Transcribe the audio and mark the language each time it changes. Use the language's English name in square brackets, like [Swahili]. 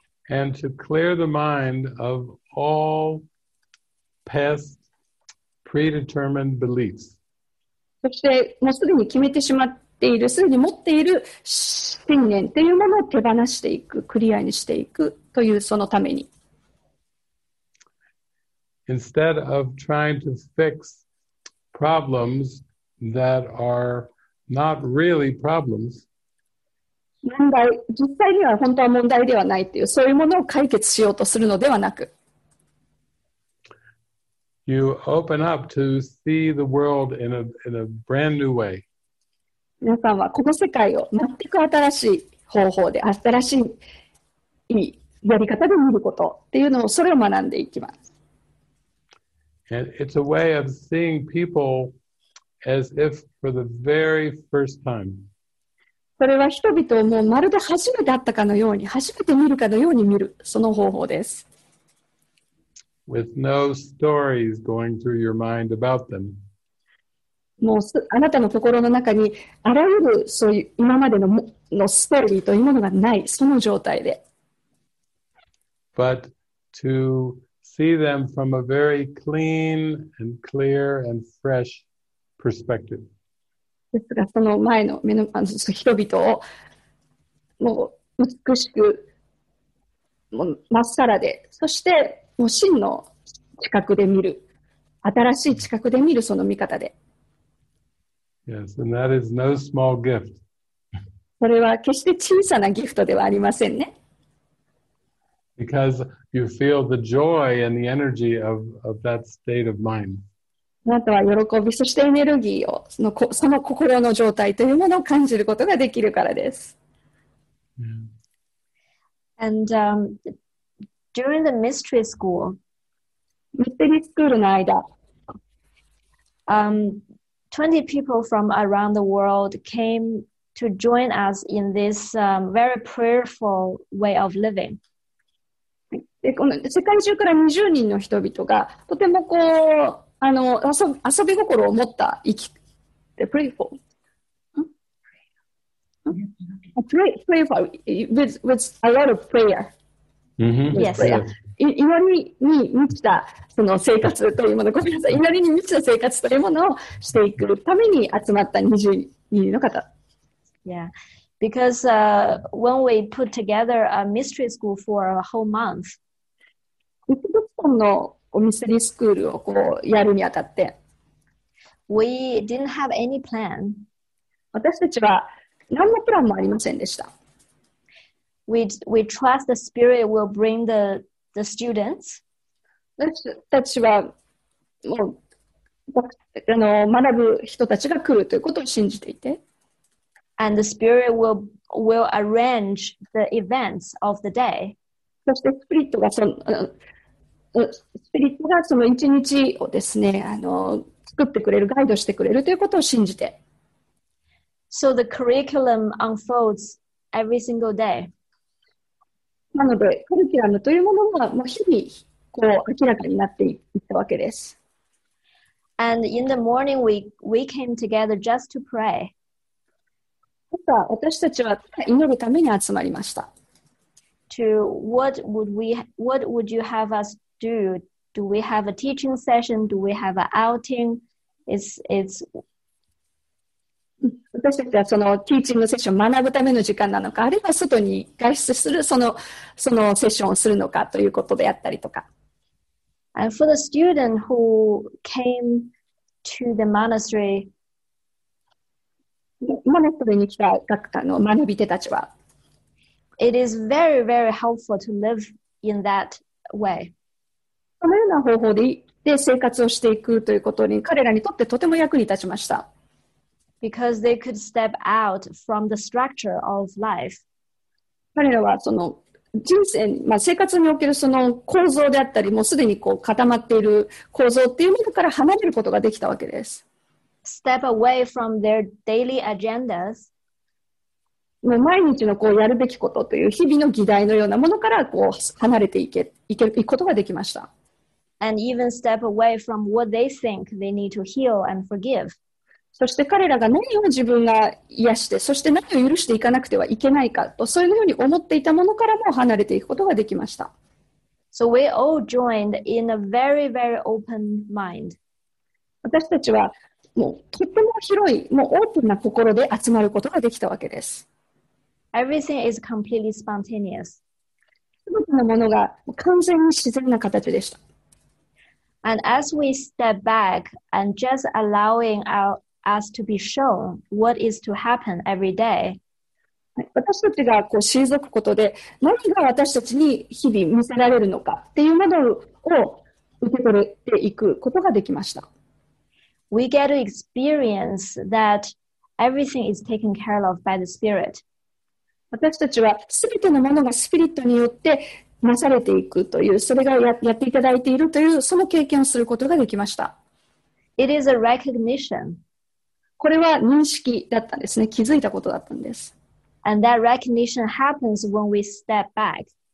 [English] And to clear the mind of all past predetermined beliefs. [Japanese] そしてもうすでに決めてしまっている、すでに持っている信念というものを手放していく、クリアにしていくというそのために。 [English] Instead of trying to fix problems that are not really problems, [Japanese] 問題、実際には本当は問題ではないという、そういうものを解決しようとするのではなく、 [English] You open up to see the world in a brand new way. [Japanese] 皆さんはこの世界を全く新しい方法で、新しいやり方で見ることっていうのを、それを学んでいきます。 [English] And it's a way of seeing people as if for the very first time. [Japanese] それは人々をもうまるで初めて会ったかのように、初めて見るかのように見る、その方法です。 [English] With no stories going through your mind about them. [Japanese] もうあなたの心の中にあらゆるそういう今までのストーリーというものがない、その状態で。 [English] But to see them from a very clean and clear and fresh perspective. [Japanese] ですが、その前の目の前の人々をもう美しく、もう真っさらで、そしてもう真の近くで見る、新しい近くで見る、その見方で。 [English] Yes, and that is no small gift. [Japanese] それは決して小さなギフトではありませんね。 [English] Because you feel the joy and the energy of that state of mind. [Japanese] あなたは喜び、そしてエネルギーを、その心の状態というものを感じることができるからです。 [English] Yeah. And during the mystery school, [Japanese] mystery school の間、 [English] 20 people from around the world came to join us in this very prayerful way of living. [Japanese] でこの世界中から20人の人々がとてもこうあの遊び心を持った生き、 [English] the playful, playful with a lot of prayer,、 mm-hmm. yes, prayer. [Japanese] 祈りに満ちたその生活というもの、ごめんなさい、祈りに満ちた生活というものをしていくために集まった20人の方、 [English] yeah, because when we put together a mystery school for a whole month. [Japanese] 一度本のおミステリースクールをこうやるにあたって [English] We didn't have any plan. [Japanese] 私たちは何のプランもありませんでした。 [English] We trust the spirit will bring the students. [Japanese] 私たちはもう学ぶ人たちが来るということを信じていて [English] And the spirit will arrange the events of the day. [Japanese] そしてスピリットがそのスピリットがその一日をですね、作ってくれる、ガイドしてくれるということを信じて。 [English] So the curriculum unfolds every single day. [Japanese] なので、カリキュラムというものがもう日々こう明らかになっていったわけです。 [English] And in the morning we came together just to pray. [Japanese] 私たちは祈るために集まりました。 [English] To what would you have us Do we have a teaching session? Do we have an outing? It's [Japanese] 私たちはそのティーチングセッション学ぶための時間なのか、あるいは外に外出するそのセッションをするのかということであったりとか。 [English] And for the student who came to the monastery, [Japanese] モネストリーに来た学科の学び手たちは、 [English] It is very, very helpful to live in that way. [Japanese] このような方法で生活をしていくということに彼らにとってとても役に立ちました。 [English] Because they could step out from the structure of life. [Japanese] 彼らはその人生、まあ、生活におけるその構造であったり、もうすでにこう固まっている構造っていうものから離れることができたわけです。 [English] Step away from their daily agendas. [Japanese] もう毎日のこうやるべきことという日々の議題のようなものからこう離れていけ、いけることができました。 [English] And even step away from what they think they need to heal and forgive. [Japanese] そして彼らが何を自分が癒して、そして何を許していかなくてはいけないかと、そういうように思っていたものからも離れていくことができました。 [English] So we all joined in a very, very open mind. [Japanese] 私たちはもうとっても広い、もうオープンな心で集まることができたわけです。 [English] Everything is completely spontaneous. [Japanese] 全てのものが完全に自然な形でした。 [English] And as we step back and just allowing us to be shown what is to happen every day, [Japanese] 私たちがこう退くことで何が私たちに日々見せられるのかっていうものを受け取っていくことができました。 [English] We get to experience that everything is taken care of by the Spirit. [Japanese] 私たちは全てのものがスピリットによってなされていくという、それが やっていただいているという、その経験をすることができました。 [English] It is a recognition. [Japanese] これは認識だったんですね。気づいたことだったんです。 [English] And that recognition happens when we step back.